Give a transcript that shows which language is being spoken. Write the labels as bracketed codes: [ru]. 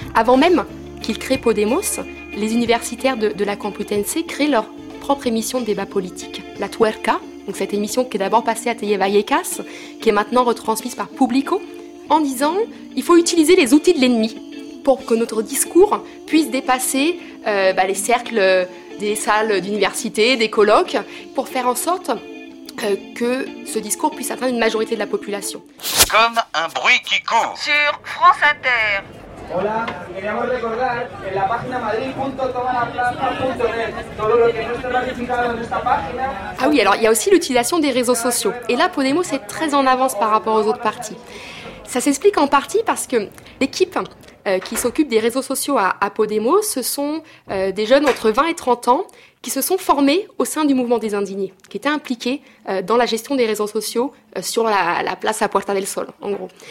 [fr] Avant même qu'ils créent Podemos, les universitaires de la Complutense créent leur propre émission de débat politique, la Tuerca, donc cette émission qui est d'abord passée à Tellez Vallecas, qui est maintenant retransmise par Publico, en disant « il faut utiliser les outils de l'ennemi ». Pour que notre discours puisse dépasser les cercles des salles d'université, des colloques, pour faire en sorte que ce discours puisse atteindre une majorité de la population. Comme un bruit qui court. Sur France Inter. [es] Hola, queremos recordar que en la página madrid.tomalaplaza.net, todo lo que no está ratificado en esta página. [fr] Ah oui, alors il y a aussi l'utilisation des réseaux sociaux. Et là, Podemos est très en avance par rapport aux autres partis. Ça s'explique en partie parce que l'équipe qui s'occupent des réseaux sociaux à Podemos, ce sont des jeunes entre 20 et 30 ans qui se sont formés au sein du mouvement des indignés, qui étaient impliqués dans la gestion des réseaux sociaux sur la place à Puerta del Sol, en gros.